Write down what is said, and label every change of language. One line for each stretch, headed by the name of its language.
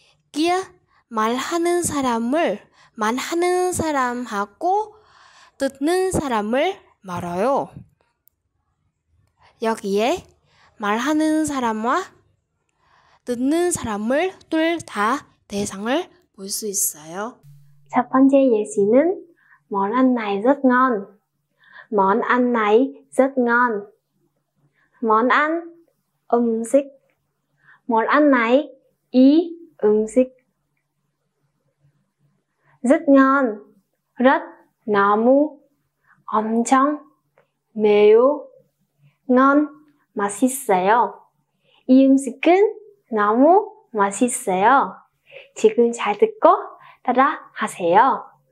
Korean: 기어 말하는 사람을 말하는 사람하고 듣는 사람을 말아요. 여기에 말하는 사람과 듣는 사람을 둘 다 대상을 볼 수 있어요. 첫 번째 예시는
Vietnamese: món ăn này rất ngon. món ăn này rất ngon. món ăn 음식. món ăn này
Korean: 이 음식.
Vietnamese: rất ngon.
Korean: rất 너무 엄청 매우 ngon, 맛있어요. 이 음식은 너무 맛있어요. 지금 잘 듣고 따라하세요.